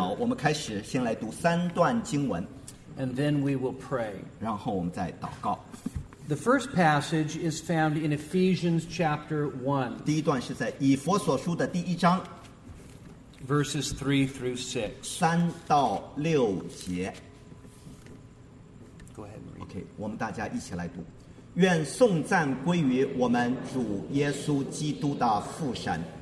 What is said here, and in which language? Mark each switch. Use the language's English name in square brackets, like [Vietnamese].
[Chinese] 好，我们开始先来读三段经文。 [English] And then we will pray. [Chinese] 然后我们再祷告。 [English] The first passage is found in Ephesians chapter 1. [Chinese] 第一段是在以弗所书的第一章。 [English] Verses 3 through 6. [Chinese] 三到六节。 [English] Go ahead and read. [Chinese] Okay, 我们大家一起来读。愿颂赞归于我们主耶稣基督的父神。